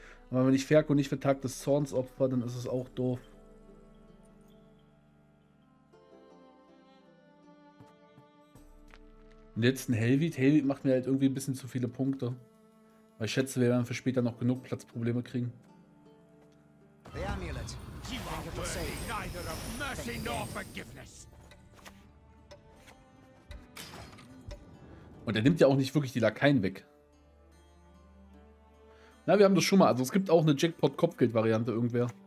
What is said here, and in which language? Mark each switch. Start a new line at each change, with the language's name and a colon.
German: Aber wenn ich Ferko nicht für Tag des Zorns opfer, dann ist es auch doof. Und jetzt ein Helvit. Helvit macht mir halt irgendwie ein bisschen zu viele Punkte. Weil ich schätze, wir werden für später noch genug Platzprobleme kriegen.
English: The amulet. You are worthy neither of mercy nor forgiveness.
German: Und er nimmt ja auch nicht wirklich die Lakaien weg. Na, wir haben das schon mal. Also es gibt auch eine Jackpot-Kopfgeld-Variante irgendwer.